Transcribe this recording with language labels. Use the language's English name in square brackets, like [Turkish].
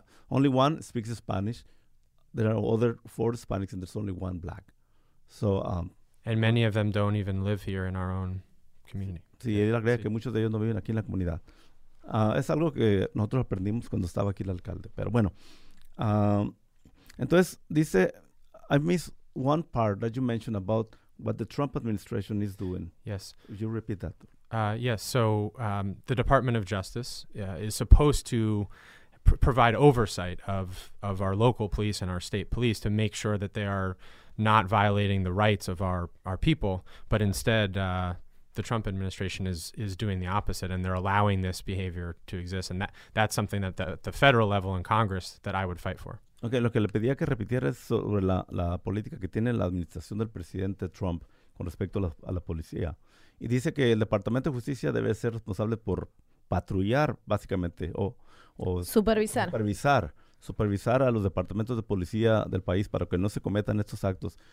[English] Only one speaks Spanish. There are other four Hispanics, and there's only one black. So, and many of them don't even live here in our own community. [Spanish] Sí, yo creo que muchos de ellos no viven aquí en la comunidad. Es algo que nosotros aprendimos cuando estaba aquí el alcalde. Pero bueno, entonces dice, [English] I miss one part that you mentioned about what the Trump administration is doing. Yes. Would you repeat that? Yes. So the Department of Justice is supposed to provide oversight of our local police and our state police to make sure that they are not violating the rights of our people. But instead, the Trump administration is doing the opposite, and they're allowing this behavior to exist. And that's something that the federal level in Congress that I would fight for. [Spanish] Okay, lo que le pedía que repitiera es sobre la política que tiene la administración del presidente Trump con respecto a la policía. Y dice que el Departamento de Justicia debe ser responsable por patrullar, básicamente, o supervisar. Supervisar a los departamentos de policía del país para que no se cometan estos actos.